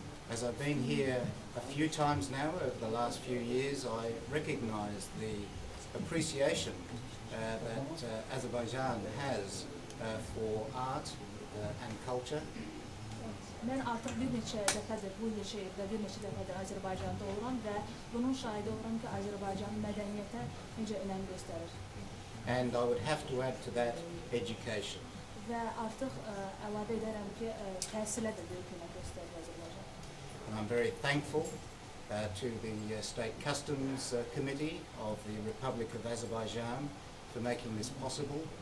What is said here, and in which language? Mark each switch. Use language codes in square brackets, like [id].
[en] As I've been here a few times now over the last few years, I recognize the appreciation that Azerbaijan has for art and culture. [az] Mən artıq bir neçə dəfədir Azərbaycanda oluram və bunun şahidi oluram ki, Azərbaycan mədəniyyətə necə önəm göstərir. [en] And I would have to add to that education. [az] Və artıq əlavə edərəm ki, təhsilə də böyük önəm göstərir Azərbaycan. [en] And I'm very thankful to the State Customs Committee of the Republic of Azerbaijan for making this possible.